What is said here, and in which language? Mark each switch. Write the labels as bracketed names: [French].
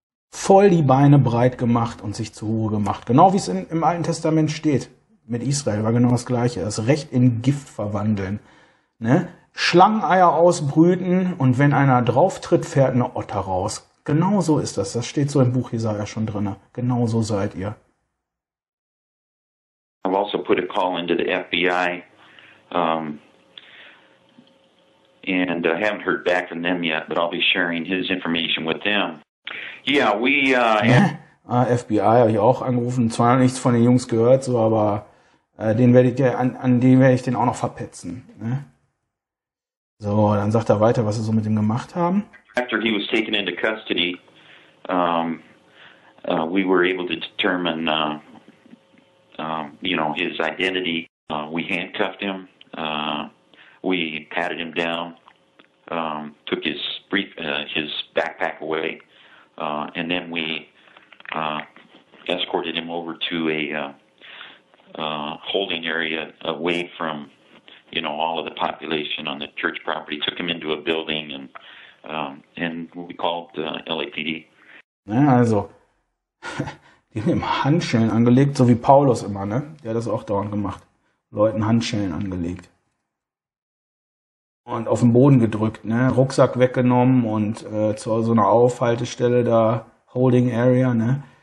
[German] Voll die Beine breit gemacht und sich zur Ruhe gemacht. Genau wie es im Alten Testament steht. Mit Israel war genau das Gleiche. Das Recht in Gift verwandeln. Ne? Schlangeneier ausbrüten und wenn einer drauftritt, fährt eine Otter raus. Genau so ist das. Das steht so im Buch Jesaja schon drin. Genau so seid ihr. [English] I've also put a call into the FBI and I haven't heard back from them yet, but I'll be sharing his information with them. Yeah, we... [German] FBI habe ich auch angerufen. Zwar noch nichts von den Jungs gehört, so, aber den werde ich auch noch verpetzen. Ne? So, dann sagt er weiter, was sie so mit ihm gemacht haben. [English] After he was taken into custody, we were able to determine, you know, his identity. We handcuffed him, we patted him down, took his brief, his backpack away, and then we escorted him over to a holding area away from, you know, all of the population on the church property, took him into a building and we called LAPD. [German] Ja, also, die haben ihm Handschellen angelegt, so wie Paulus immer, ne? Der hat das auch dauernd gemacht. Leuten Handschellen angelegt. Und auf den Boden gedrückt, ne? Rucksack weggenommen und zu so einer Aufhaltestelle da, Holding Area, ne?